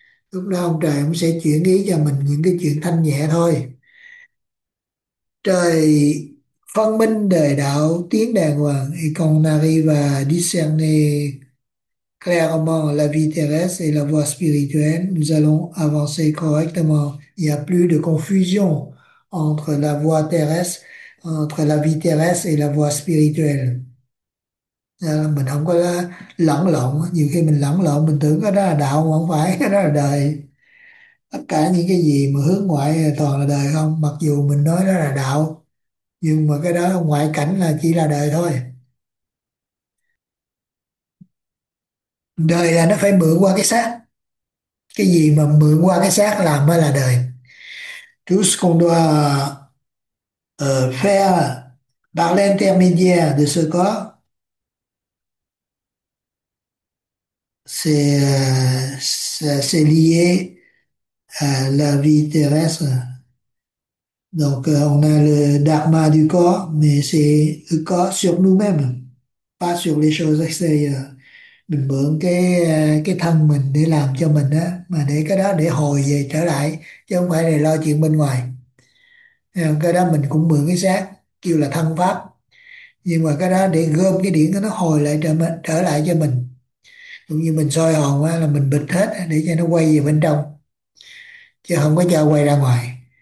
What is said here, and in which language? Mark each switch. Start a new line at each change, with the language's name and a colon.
Vietnamese: Lúc đó ông trời cũng sẽ chuyển ý cho mình những cái chuyện thanh nhẹ thôi. Trời phân minh đời đạo tiến đàng hoàng
French: et qu'on arrive à discerner clairement la vie terrestre et la voie spirituelle, nous allons avancer correctement. Il n'y a plus de confusion entre la voie terrestre, entre la vie terrestre et la voie spirituelle.
Vietnamese: Mình không có lẫn lộn, nhiều khi mình lẫn lộn, mình tưởng cái đó là đạo mà không phải, cái đó là đời. Tất cả những cái gì mà hướng ngoại toàn là đời không, mặc dù mình nói đó là đạo, nhưng mà cái đó ngoại cảnh là chỉ là đời thôi. Đời là nó phải mượn qua cái xác. Cái gì mà mượn qua cái xác làm mới là đời.
French: Tout ce qu'on doit faire par l'intermédiaire de ce corps, c'est lié à la vie terrestre. Donc, on a le dharma du corps, mais c'est le corps sur nous-mêmes, pas sur les choses extérieures.
Vietnamese: Mình mượn cái thân mình để làm cho mình á, mà để cái đó để hồi về trở lại, chứ không phải để lo chuyện bên ngoài. Cái đó mình cũng mượn cái xác kêu là thân pháp, nhưng mà cái đó để gom cái điển nó hồi lại trở lại cho mình, cũng như mình soi hồn á, là mình bịt hết để cho nó quay về bên trong chứ không có cho quay ra ngoài.